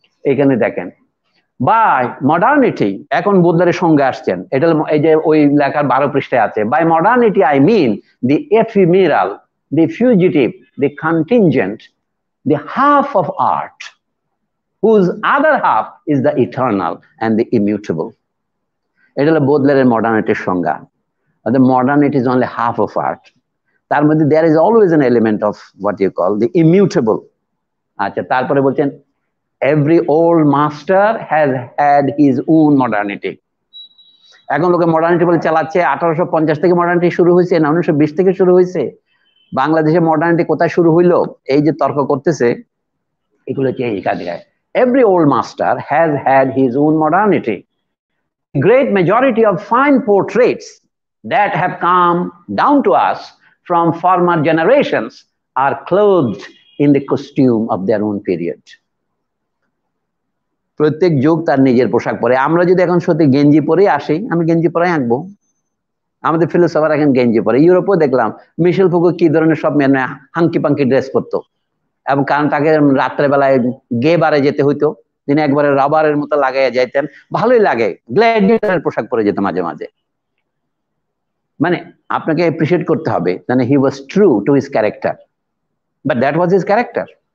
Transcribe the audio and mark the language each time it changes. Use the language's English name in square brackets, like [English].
[English] এখানে দেখেন by modernity, [Bangla] এখন বোদ্দারের সঙ্গে আসছেন, এটা এই যে ওই লেখার 12 পৃষ্ঠায় আছে, [English] By modernity I mean the ephemeral the fugitive the contingent the half of art whose other half is the eternal and the immutable. [Bangla] এটা হলো বোদ্দারের মডার্নিটির সংজ্ঞা, অর্থাৎ [English] Modernity is only half of art, তার মধ্যে there is always an element of what you call the immutable. [Bangla] আচ্ছা, তারপরে বলছেন [English] every old master has had his own modernity. [Bangla] এখন লোকে মডার্নিটি বলে চালাচ্ছে, 1850 থেকে মডার্নিটি শুরু হয়েছে না 1920 থেকে শুরু হয়েছে, বাংলাদেশে মডার্নিটি কোথায় শুরু হইলো, এই যে তর্ক করতেছে, এগুলো কি এই কাজে গায়। [English] Every old master has had his own modernity. Great majority of fine portraits that have come down to us from former generations are clothed in the costume of their own period. [Bangla] প্রত্যেক যুগ তার নিজের পোশাক পরে, আমরা যদি এখন সত্যি গেঞ্জি পরে আসি, আমি গেঞ্জি পরাই আঁকবো, আমাদের ফিলোসফার এখন গেঞ্জি পরে, ইউরোপেও দেখলাম মিশেল ফুকো কি ধরনের সব মেনে হাঙ্কি পাঙ্কি ড্রেস করতো, এবং কারণ তাকে রাত্রেবেলায় গে বারে যেতে হইতো, তিনি একবারে রাবারের মতো লাগাইয়া যাইতেন, ভালোই লাগে, গ্ল্যাডিয়েটরের পোশাক পরে যেত মাঝে মাঝে, মানে আপনাকে অ্যাপ্রিসিয়েট করতে হবে, মানে [English] he was true to his character, [Bangla] but that was his character.